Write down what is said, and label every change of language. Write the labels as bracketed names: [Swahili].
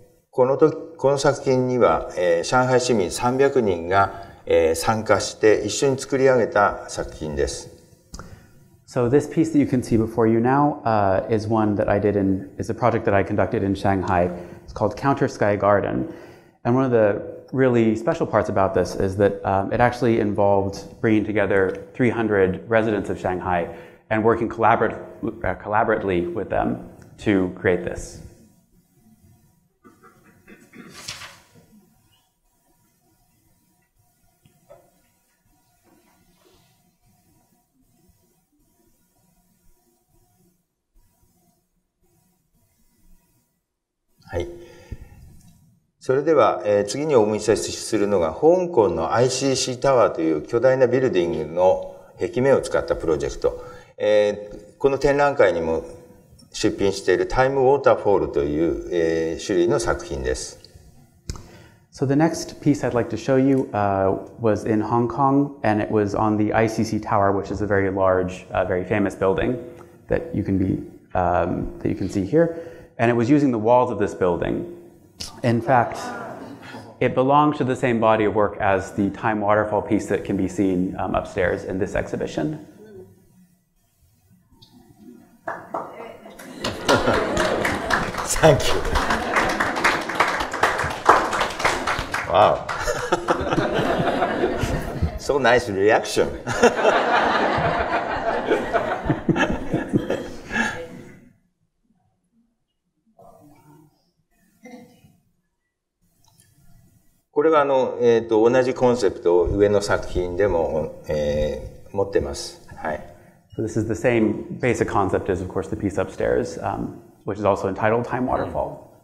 [Japanese] この作品には、上海市民300人が、参加して一緒に作り上げた作品です。 [English] So this piece that you can see before you now, is one that I did in, is a project that I conducted in Shanghai. It's called Counter Sky Garden. And one of the really special parts about this is that it actually involved bringing together 300 residents of Shanghai and working collaboratively with them to create this. Hi. [Japanese] それでは、次にお見せするのが香港の ICC タワーという巨大なビルディングの壁面を使ったプロジェクト、この展覧会にも出品しているタイムウォーターフォールという、種類の作品です。 [English] So the next piece I'd like to show you, was in Hong Kong, and it was on the ICC Tower, which is a very large, very famous building that you can be, that you can see here. And it was using the walls of this building. In fact, it belongs to the same body of work as the Time Waterfall piece that can be seen, upstairs in this exhibition. Thank you. Wow. So nice reaction. [Japanese] これはあの、同じコンセプトを上の作品でも、持ってます。はい。 [English] So this is the same basic concept as, of course, the piece upstairs, which is also entitled Time Waterfall.